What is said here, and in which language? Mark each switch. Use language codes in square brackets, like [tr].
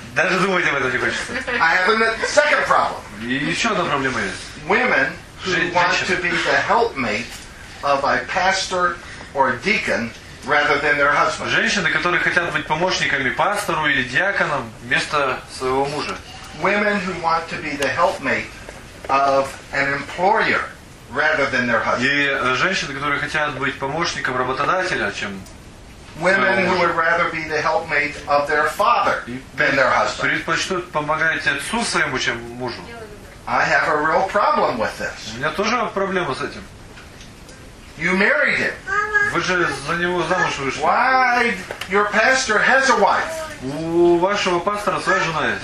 [ru] Даже думать об этом не хочется. [en] I have a second problem. [ru] И еще одна проблема есть. [en] Women who want to be the helpmate of a pastor or deacon rather than their husband. [ru] Женщины, которые хотят быть помощниками пастору или диаконом вместо своего мужа. [en] Women who want to be the helpmate of an employer. Rather than their husband. [ru] И женщины, которые хотят быть помощником работодателя, чем [en] women who would rather be the helpmate of their father than their husband. [ru] Предпочтут помогать отцу своему, чем мужу. [en] I have a real problem with this. [ru] У меня тоже проблема с этим. [en] You married him. [ru] Вы же за него замуж вышли. [en] Why your pastor has a wife? [ru] У вашего пастора своя жена есть.